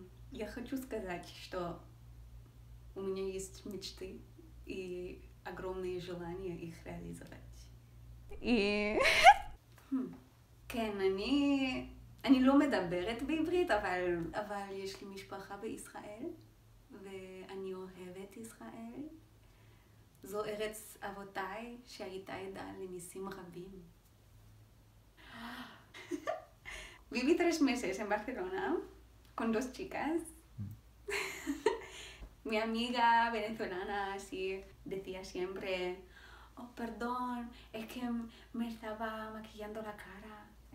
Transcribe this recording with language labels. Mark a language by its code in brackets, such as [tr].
[ru] Я хочу сказать, что у меня есть мечты и огромные желания их реализовать. [he] כן, אני לא מדברת בעברית, אבל יש לי משפחה בישראל, ואני אוהבת ישראל. זו ארץ אבותיי שהייתה עדה לניסים רבים. [es] Viví tres meses en Barcelona, con dos chicas. Mi amiga venezolana así decía siempre, oh, perdón, es que me estaba maquillando la cara.